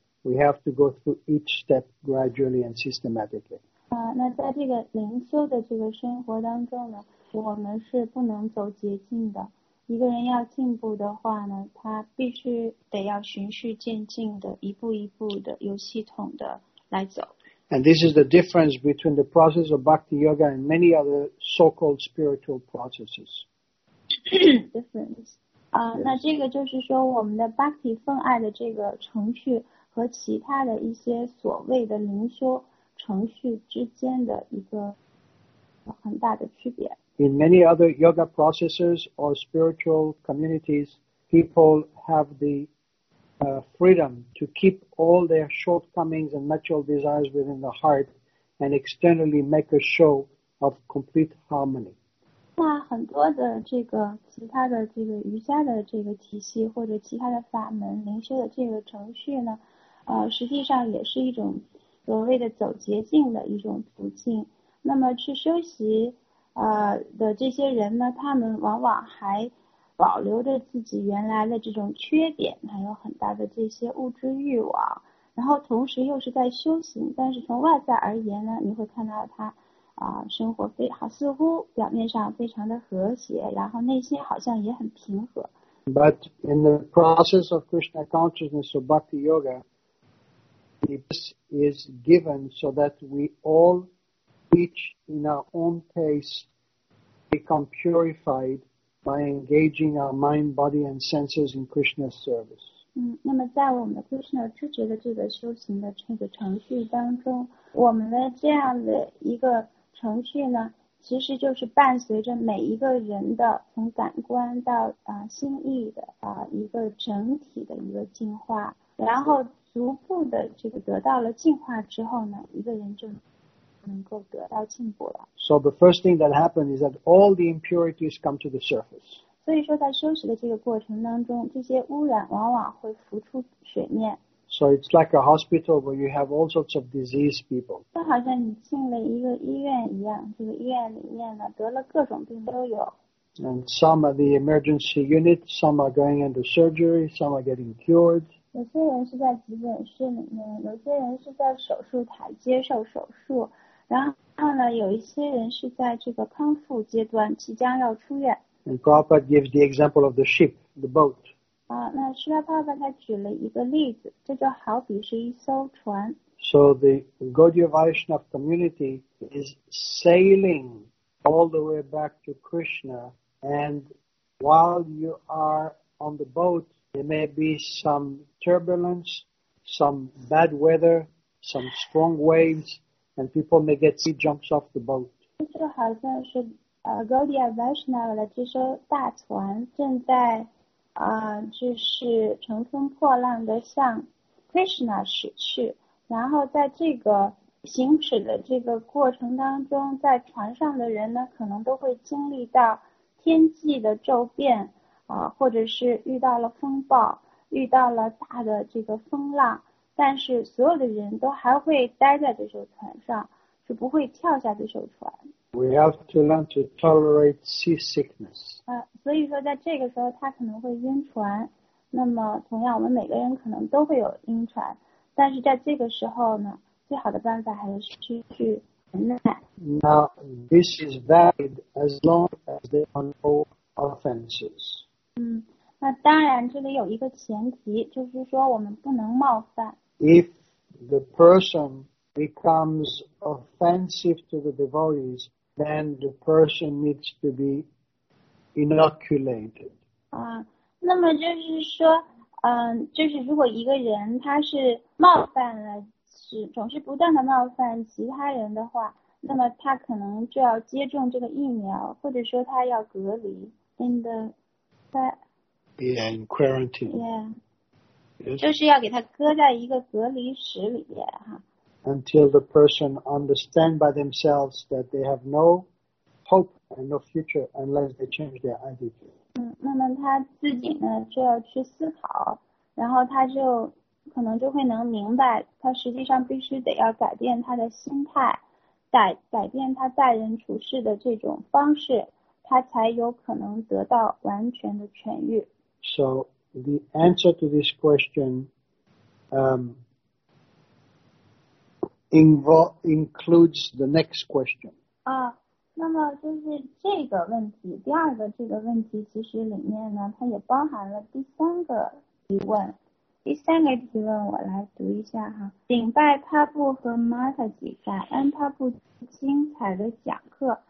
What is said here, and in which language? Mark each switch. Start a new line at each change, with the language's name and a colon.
English: We have to go through each step gradually and systematically.
Chinese: 那在这个灵修的这个生活当中呢，我们是不能走捷径的。一个人要进步的话呢，他必须得要循序渐进的，一步一步的，有系统的来走。
English: And this is the difference between the process of Bhakti Yoga and many other so-called spiritual processes. difference.
Chinese: 那这个就是说我们的 Bhakti 奉爱的这个程序和其他的一些所谓的灵修程序之间的一个很大的区别。
English: In many other yoga processes or spiritual communities, people have the freedom to keep all their shortcomings and natural desires within the heart and externally make a show of complete harmony.
Chinese: 那很多的这个其他的这个瑜伽的这个体系或者其他的法门灵修的这个程序呢，实际上也是一种所谓的走捷径的一种途径。那么去修习的这些人呢，他们往往还保留着自己原来的这种缺点，还有很大的这些物质欲望，然后同时又是在修行，但是从外在而言呢，你会看到他。生活非好，似乎表面上非常的和谐，然后内心好像也很平和。
English: But in the process of Krishna consciousness or Bhakti Yoga, this is given so that we all, each in our own pace, become purified by engaging our mind, body, and senses in Krishna's service.
Chinese: 那么在我们的 Krishna 知觉的这个修行的这个程序当中，我们的这样的一个程序呢，其实就是伴随着每一个人的从感官到心意的一个整体的一个进化，然后逐步的这个得到了进化之后呢，一个人就能够得到进步了。
English: So the first thing that happened is that all the impurities come to the surface.
Chinese: 所以说在修习的这个过程当中，这些污染往往会浮出水面。
English: So it's like a hospital where you have all sorts of disease people.
Chinese: 就好像你进了一个医院一样，这个医院里面呢，得了各种病都有。
English: And some are the emergency unit, some are going into surgery, some are getting cured.
Chinese: 有些人是在急诊室里面，有些人是在手术台接受手术，然后呢，有一些人是在这个康复阶段，即将要出院。
English: And Prabhupada gives the example of the ship, the boat.
Chinese: 那释迦牟尼佛他举了一个例子，这就好比是一艘船。
English: So the Gaudiya Vaishnava community is sailing all the way back to Krishna, and while you are on the boat, there may be some turbulence, some bad weather, some strong waves, and people may get sea jumps off the boat.
Chinese: 就好像是Gaudiya Vaishnava 的这艘大船正在就是乘风破浪的向 Krishna 驶去，然后在这个行驶的这个过程当中，在船上的人呢，可能都会经历到天气的骤变或者是遇到了风暴，遇到了大的这个风浪，但是所有的人都还会待在这艘船上，是不会跳下这艘船。
English: We have to learn to tolerate seasickness.
Chinese: 所以说在这个时候他可能会晕船，那么同样我们每个人可能都会有晕船，但是在这个时候呢，最好的办法还是去忍耐。
English: Now, this is valid as long as there are no offenses.
Chinese: 那当然这里有一个前提，就是说我们不能冒犯。
English: If the person becomes offensive to the devotees, then the person needs to be inoculated.
Chinese: 那么就是说就是如果一个人他是冒犯了，是总是不断的冒犯其他人的话，那么他可能就要接种这个疫苗，或者说他要隔离
English: in quarantine. Yeah. Yes.
Chinese: 就是要给他搁在一个隔离室里面哈。
English: Until the person understand by themselves that they have no hope and no future unless they change their attitude.
Chinese: 那么他自己呢就要去思考，然后他就可能就会能明白，他实际上必须得要改变他的心态，改变他待人处事的这种方式，他才有可能得到完全的痊愈。
English: So the answer to this question, includes the next question.
Chinese: 那么就是这个问题，第二个这个问题其实里面呢，它也包含了第三个提问。第三个提问我来读一下哈，顶拜帕布和玛塔吉，感恩帕布精彩的讲课。